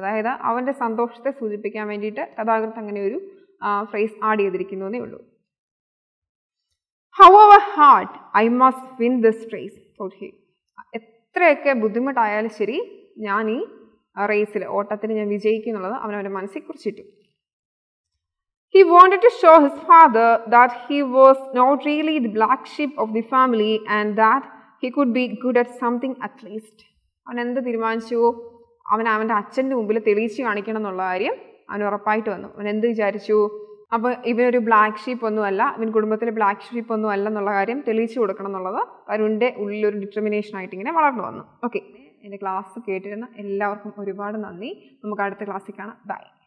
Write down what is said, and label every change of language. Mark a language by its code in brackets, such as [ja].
[ml] അതായത് അവൻ്റെ സന്തോഷത്തെ സൂചിപ്പിക്കാൻ വേണ്ടിയിട്ട് കഥാകൃത്ത് അങ്ങനെ ഒരു ഫ്രേസ് ആഡ് ചെയ്തിരിക്കുന്നതേ ഉള്ളൂ. [en] However hard I must win this race, thought he. [ml] എത്രയൊക്കെ ബുദ്ധിമുട്ടായാലും ശരി, ഞാൻ ഈ റേസിൽ, ഓട്ടത്തിന് ഞാൻ വിജയിക്കും എന്നുള്ളത് അവനവൻ്റെ മനസ്സിൽ കുറിച്ചിട്ടു. [en] He wanted to show his father that he was not really the black sheep of the family and that he could be good at something at least. [ml] അവൻ എന്ത് തീരുമാനിച്ചു, അവൻ അവൻ്റെ അച്ഛൻ്റെ മുമ്പിൽ തെളിയിച്ച് കാണിക്കണം എന്നുള്ള കാര്യം അവൻ ഉറപ്പായിട്ട് വന്നു. അവൻ എന്ത് വിചാരിച്ചു, അപ്പോൾ ഇവനൊരു ബ്ലാക്ക് ഷീപ്പ് ഒന്നുമല്ല, ഇവൻ കുടുംബത്തിലെ ബ്ലാക്ക് ഷീപ്പ് ഒന്നുമല്ല എന്നുള്ള കാര്യം തെളിയിച്ച് കൊടുക്കണം എന്നുള്ളത് അവരുടെ ഉള്ളിലൊരു ഡിറ്റർമിനേഷൻ ആയിട്ട് ഇങ്ങനെ വളർന്നു വന്നു. ഓക്കെ, എൻ്റെ ക്ലാസ് കേട്ടിരുന്ന എല്ലാവർക്കും ഒരുപാട് നന്ദി. നമുക്ക് അടുത്ത ക്ലാസ്സിൽ കാണാം. ബൈ.